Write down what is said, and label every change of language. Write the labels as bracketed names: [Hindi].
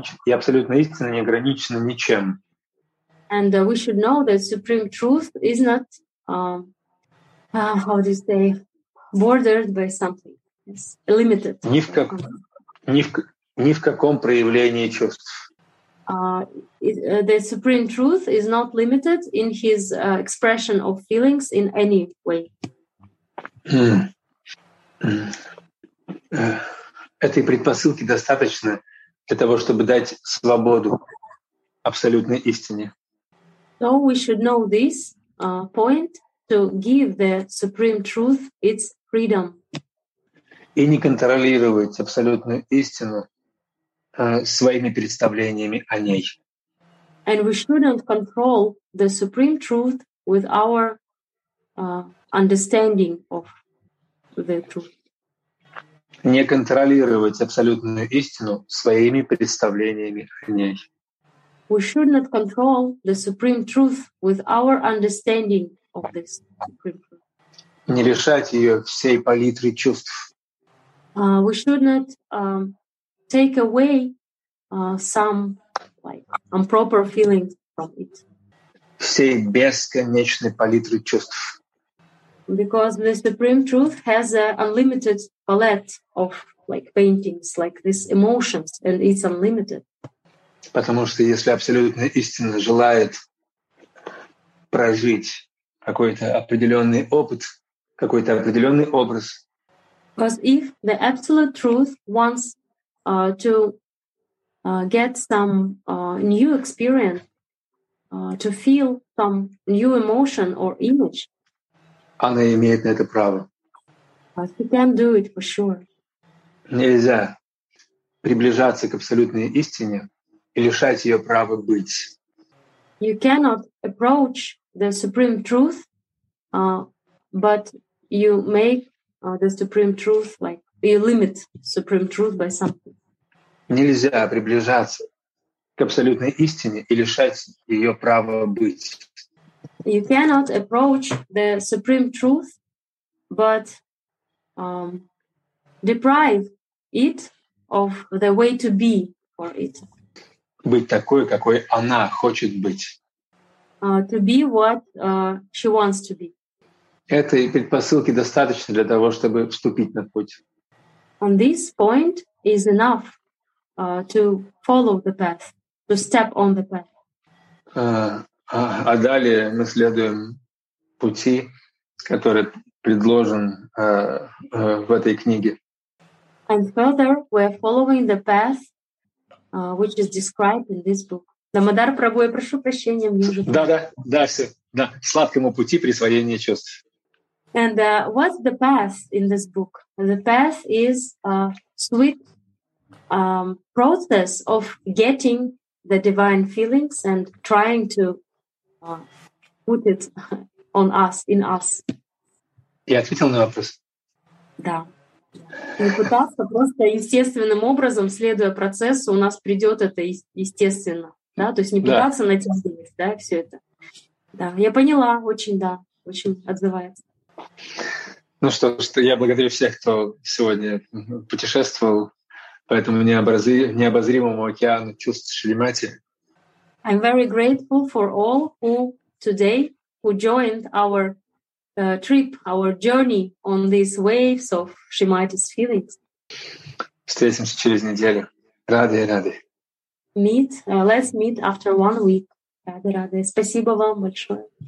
[Russian] и абсолютно истина не ограничена ничем. [English] And we should know that supreme truth is not, how do you say, bordered by something. It's limited. [Russian] Ни в каком проявлении чувств. [English] The supreme truth is not limited in his expression of feelings in any way. [Russian] Этой предпосылки достаточно для того, чтобы дать свободу абсолютной истине. [English] So we should know this point to give the supreme truth its freedom. [Russian] И не контролировать абсолютную истину своими представлениями о ней. [English] And we shouldn't control the supreme truth with our understanding of the truth. [Russian] Не контролировать абсолютную истину своими представлениями о ней. [English] We should not control the supreme truth with our understanding of this supreme truth. [Russian] Не лишать ее всей палитры чувств. [English] We should not take away some like improper feelings from it. [Russian] Всей бесконечной палитры чувств. [English] Because the Supreme Truth has an unlimited palette of like paintings, like these emotions, and it's unlimited. [Russian] Потому что если абсолютная истина желает прожить какой-то определенный образ. [English] Because if the absolute truth wants to get some new experience, to feel some new emotion or image, [Russian] она имеет на это право. [English] But she can do it for sure. [Russian] Нельзя приближаться к абсолютной истине и лишать ее права быть. [English] You cannot approach the supreme truth, but you make the supreme truth like you limit supreme truth by something. [Russian] Нельзя приближаться к абсолютной истине и лишать ее права быть. [English] You cannot approach the supreme truth, but deprive it of the way to be for it. [Russian] Быть такой, какой она хочет быть. [English] To be what she wants to be. [Russian] Этой предпосылки достаточно для того, чтобы вступить на путь. [English] On this point is enough to follow the path, to step on the path. [Russian] А далее мы следуем пути, который предложен в этой книге. [English] And further, we are following the path which is described in this book. [Russian] Дамодар Прабху, я прошу прощения, мне уже... Да, все. Да. Сладкому пути присвоения чувств. [English] And what's the path in this book? The path is a sweet process of getting the divine feelings and trying to put it on us, in us. [Russian] Я ответил на вопрос? Да. И пытался просто естественным образом, следуя процессу, у нас придет это естественно. Да, то есть не пытаться натянуть, да, все это. Да, я поняла, очень, да, очень отзывается. Ну что ж, я благодарю всех, кто сегодня путешествовал по этому необозримому океану чувств Шримати. [English] I'm very grateful for all who today who joined our trip, our journey on these waves of Shrimati's feelings. [Russian] Встретимся через неделю. Рады. [English] Let's meet after 1 week. [Russian] Rade. Спасибо вам большое.